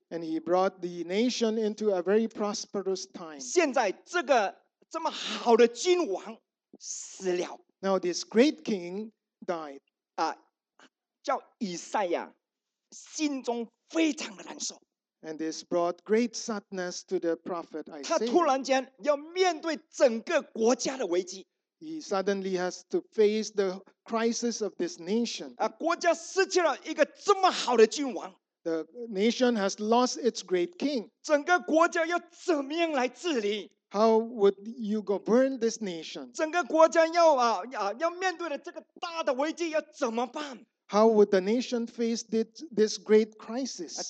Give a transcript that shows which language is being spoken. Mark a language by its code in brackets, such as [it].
[en] And he brought the nation into a very prosperous time. [zh] 现在这个这么好的君王死了。 [en] Now this great king died. [zh] 叫以赛亚。心中非常的难受。 [en] And this brought great sadness to the prophet Isaiah. [zh] 他突然间要面对整个国家的危机。 [en] He suddenly has to face the crisis of this nation. [zh] 国家失去了一个这么好的君王。 [en] The nation has lost its great king. [zh] 整个国家要怎么样来治理？ [en] How would you govern this nation? [zh] 整个国家要面对的这个大的危机要怎么办？ [en] How would the nation face this great crisis?